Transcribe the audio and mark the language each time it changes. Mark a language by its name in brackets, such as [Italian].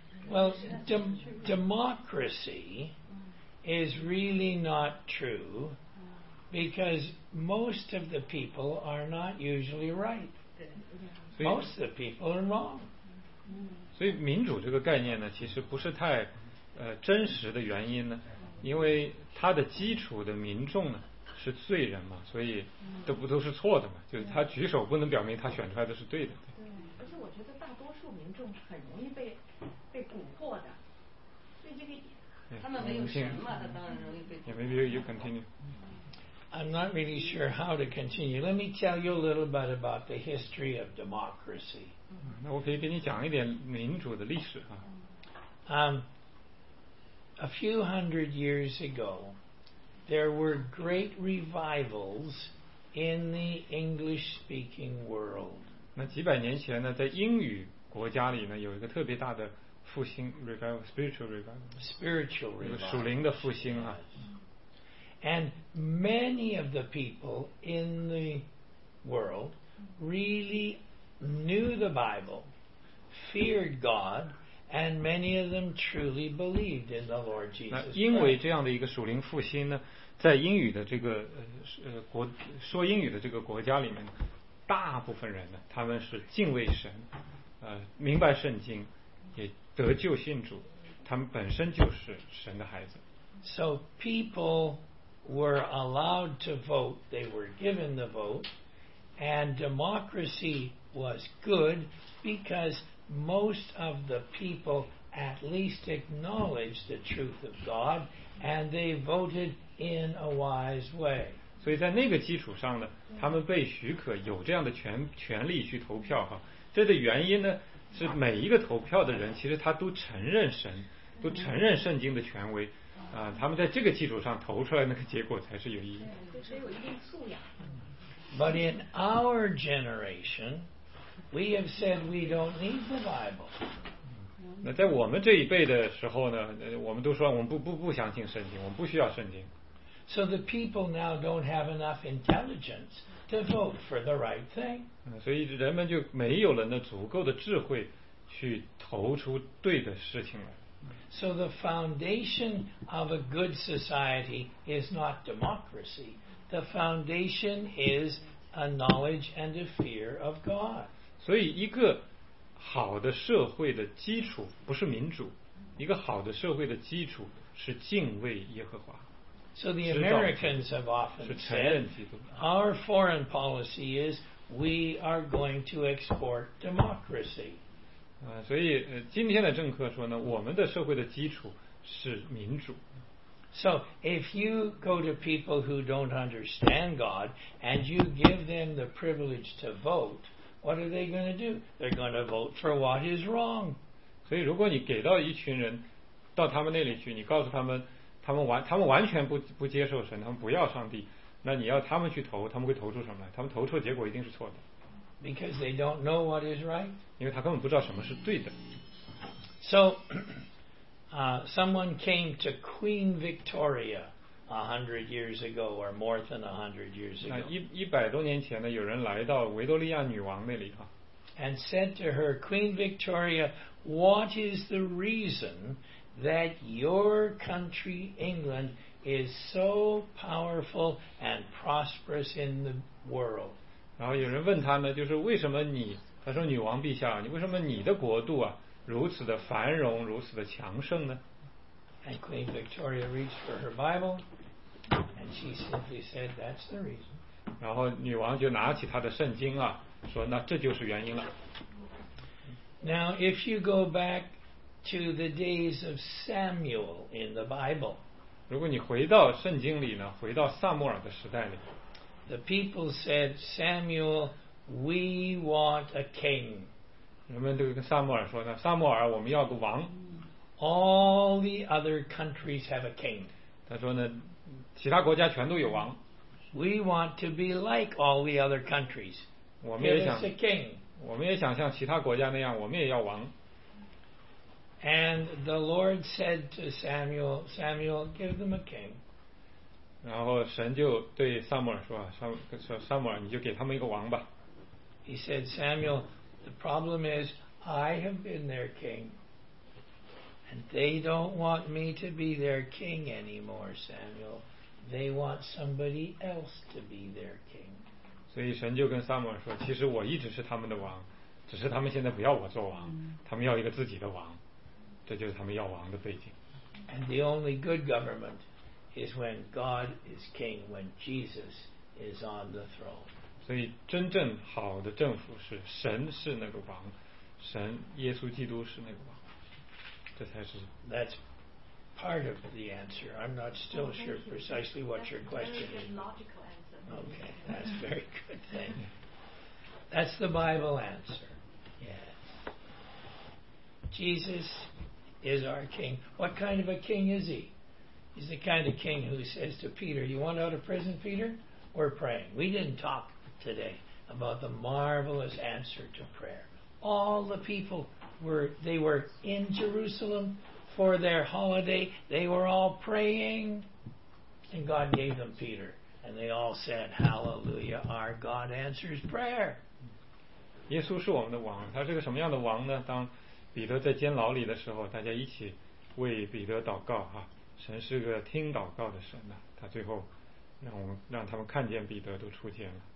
[English] Well, democracy is really not true because most of the people are not usually right. Most of the people are wrong. [Chinese] 所以民主这个概念呢，其实不是太真实的原因呢，因为它的基础的民众呢是罪人嘛，所以都是错的嘛，就是他举手不能表明他选出来的是对的。对，而且我觉得大多数民众很容易被蛊惑的，所以这个他们没有神嘛，他当然容易被蛊惑。 [English] Yeah, maybe you continue. I'm not really sure how to continue. Let me tell you a little bit about the history of democracy. [Chinese] 那我可以给你讲一点民主的历史啊。 [English] A few hundred years ago, there were great revivals in the English-speaking world. [Chinese] 那几百年前呢，在英语国家里呢，有一个特别大的复兴 [English] revival, spiritual revival, spiritual revival, [Chinese] 属灵的复兴啊。 [English] And many of the people in the world really knew the Bible, feared God, and many of them truly believed in the Lord Jesus Christ. [Chinese] 因为这样的一个属灵复兴呢，在英语的这个国说英语的这个国家里面，大部分人呢，他们是敬畏神，明白圣经，也得救信主，他们本身就是神的孩子。 [English] So people. Were allowed to vote. They were given the vote, and democracy was good because most of the people at least acknowledged the truth of God, and they voted in a wise way. [Chinese] 所以在那个基础上呢，他们被许可有这样的权利去投票哈。这的原因呢，是每一个投票的人其实他都承认神，都承认圣经的权威。他们在这个基础上投出来那个结果才是有意义的。对，只有一定素养。 [English] But in our generation, we have said we don't need the Bible. [Chinese] 那在我们这一辈的时候呢，我们都说我们不相信圣经，我们不需要圣经。 [English] So the people now don't have enough intelligence to vote for the right thing. [Chinese] 所以人们就没有了那足够的智慧去投出对的事情来。 [English] So the foundation of a good society is not democracy. The foundation is a knowledge and a fear of God. [Chinese] 所以一个好的社会的基础不是民主，一个好的社会的基础是敬畏耶和华。 [English] So the Americans have often said, our foreign policy is we are going to export democracy. [Chinese] 所以今天的政客说呢，我们的社会的基础是民主。 [English] So if you go to people who don't understand God and you give them the privilege to vote, what are they going to do? They're going to vote for what is wrong. [Chinese] 所以如果你给到一群人到他们那里去，你告诉他们，他们完全不接受神，他们不要上帝，那你要他们去投，他们会投出什么来？他们投出的结果一定是错的。 [English] Because they don't know what is right. [Chinese] 因为他根本不知道什么是对的。 [English] So, someone came to Queen Victoria 100 years ago, or more than 100 years ago. [Chinese] 那100多年前呢，有人来到维多利亚女王那里啊。 [English] And said to her, Queen Victoria, what is the reason that your country, England, is so powerful and prosperous in the world? [Chinese] 然后有人问他呢，就是为什么你？他说：“女王陛下，你为什么你的国度啊如此的繁荣，如此的强盛呢？” [English] And Queen Victoria reached for her Bible, and she simply said, "That's the reason." [Chinese] 然后女王就拿起她的圣经啊，说：“那这就是原因了。” [English] Now, if you go back to the days of Samuel in the Bible, [Chinese] 如果你回到圣经里呢，回到撒母耳的时代里。 [English] The people said, Samuel, we want a king. [Chinese] 人们就跟撒母耳说呢，撒母耳，我们要个王。 [English] All the other countries have a king. [Chinese] 他说呢，其他国家全都有王。 [English] We want to be like all the other countries. [Chinese] 我们也想 [English] Give us a king. [Chinese] 我们也想像其他国家那样，我们也要王。 [English] And the Lord said to Samuel, Samuel, give them a king. [Chinese] 然后神就对撒母耳说：“撒母耳，你就给他们一个王吧。” [English] He said, "Samuel, the problem is I have been their king, and they don't want me to be their king anymore. Samuel, they want somebody else to be their king." [Chinese] 所以神就跟撒母耳说：“其实我一直是他们的王，只是他们现在不要我做王，他们要一个自己的王，这就是他们要王的背景。” [English] And the only good government. Is when God is king, when Jesus is on the throne. [Chinese] 所以真正好的政府是神是那个王，神耶稣基督是那个王，这才是。 [English] That's part of the answer. I'm not still sure precisely what your question is. Logical answer. Okay, that's very good thing. That's the Bible answer. Yes. Jesus is our king. What kind of a king is he? He's the kind of king who says to Peter, you want out of prison, Peter? We're praying. We didn't talk today about the marvelous answer to prayer. All the people they were in Jerusalem for their holiday. They were all praying, and God gave them Peter, and they all said, "Hallelujah! Our God answers prayer." [Chinese] 耶稣是我们的王，他是个什么样的王呢？当彼得在监牢里的时候，大家一起为彼得祷告哈、啊。神是个听祷告的神呐、啊，他最后让他们看见彼得都出监了。